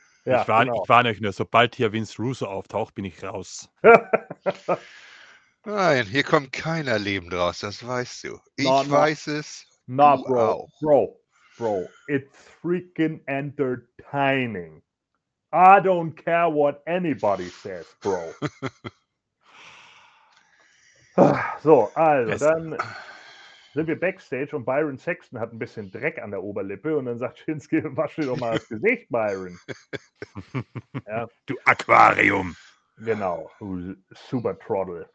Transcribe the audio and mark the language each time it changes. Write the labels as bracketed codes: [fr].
[de] Ja, ich warne euch nur, sobald hier Vince Russo auftaucht, bin ich raus. Nein, hier kommt keiner lebend raus, das weißt du. Ich weiß es. Na, Bro. Auch. [en] Bro, it's freaking entertaining. I don't care what anybody says, Bro. [de] So, also dann sind wir backstage und Byron Saxton hat ein bisschen Dreck an der Oberlippe und dann sagt Shinsuke, wasch dir doch mal das Gesicht, Byron. Ja. Du Aquarium. Genau, super Trottel.